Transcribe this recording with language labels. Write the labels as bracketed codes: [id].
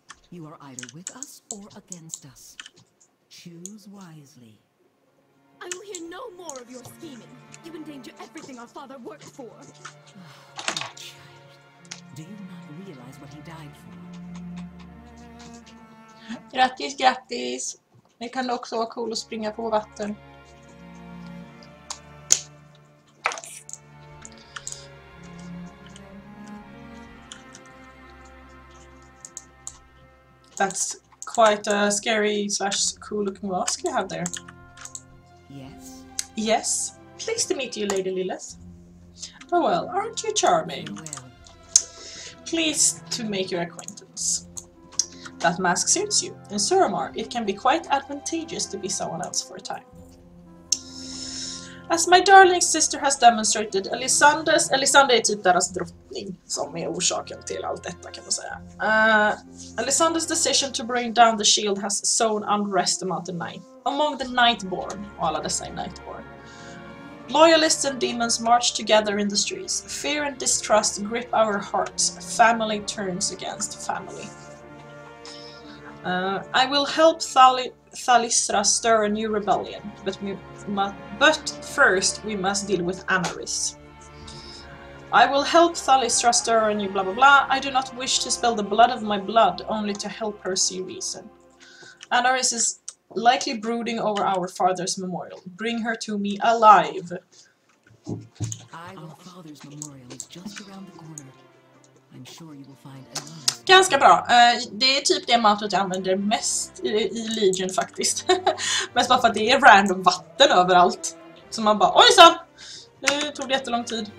[en] You are either with us or against us. Choose wisely. I will hear no more of your scheming. You endanger everything our father worked for. Oh, my child. Do you not realize what he died for? [sv] Grattis, grattis. Det kan också vara cool att springa på vatten. [en] That's quite a scary slash cool looking mask you have there. Yes. Yes. Pleased to meet you, Lady Lilith. Oh well, aren't you charming? Well. pleased to make your acquaintance. That mask suits you. In Suramar, it can be quite advantageous to be someone else for a time. As my darling sister has demonstrated, [sv] Elisande är typ deras drottning som är orsaken till allt detta, kan man säga. [en] Elisandes decision to bring down the shield has sown unrest among the Nightborn, [sv] och alla dessa Nightborn. [en] Loyalists and demons march together in the streets. Fear and distrust grip our hearts. Family turns against family. I will help Thalissra stir a new rebellion, but first we must deal with Anaris. I will help Thalissra stir a new blah blah blah. I do not wish to spill the blood of my blood, only to help her see reason. Anaris is likely brooding over our father's memorial. Bring her to me alive. Father's memorial is just around the corner. I'm sure you will find a [sv] lot. Ganska bra. Det är typ det mantot jag använder mest i Legion faktiskt. Mest bara för att det är random vatten överallt. Så man bara, oj så! Nu tog det jättelång tid.